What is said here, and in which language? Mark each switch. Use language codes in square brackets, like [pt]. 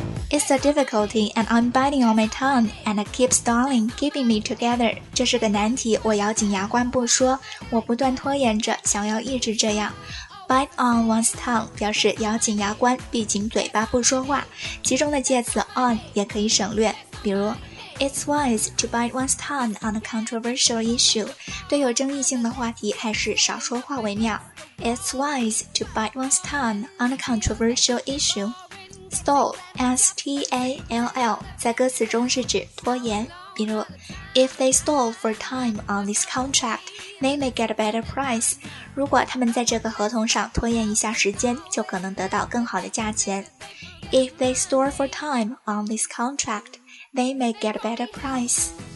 [en] It's a difficulty and I'm biting on my tongue and it keeps stalling, keeping me together. [zh] 这是个难题，我咬紧牙关不说，我不断拖延着，想要一直这样。 [en] Bite on one's tongue [zh] 表示咬紧牙关，闭紧嘴巴不说话。其中的介词 on 也可以省略，比如 [en] It's wise to bite one's tongue on a controversial issue. [zh] 对有争议性的话题还是少说话为妙。 [en] It's wise to bite one's tongue on a controversial issue. [zh] Stall, S-T-A-L-L, 在歌词中是指拖延。比如 [en] If they stall for time on this contract, they may get a better price. [zh] 如果他们在这个合同上拖延一下时间，就可能得到更好的价钱。 [en] If they stall for time on this contract, they may get a better price.